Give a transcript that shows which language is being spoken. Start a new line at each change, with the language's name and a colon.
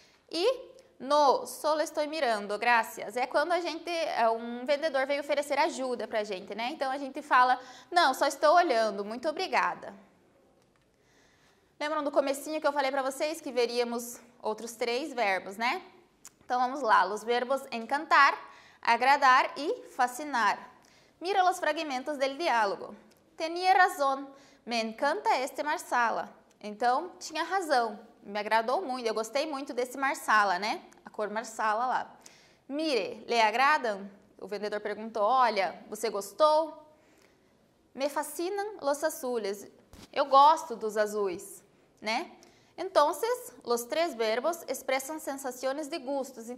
Spanish: E no, solo estoy mirando, gracias.
Portuguese: É quando a gente, um vendedor vem oferecer ajuda pra gente, né? Então a gente fala, não, só estou olhando, muito obrigada. Lembram do comecinho que eu falei para vocês que veríamos outros três verbos, né? Então vamos lá, os verbos encantar, agradar e fascinar.
Spanish: Mira os fragmentos del diálogo. Tenía razón, me encanta este Marsala.
Portuguese: Então, tinha razão, me agradou muito, eu gostei muito desse Marsala, né? A cor Marsala lá.
Spanish: Mire, le agradam?
Portuguese: O vendedor perguntou, olha, você gostou?
Spanish: Me fascinan los azules.
Portuguese: Eu gosto dos azuis, né? Então, os três verbos expressam sensações de gustos.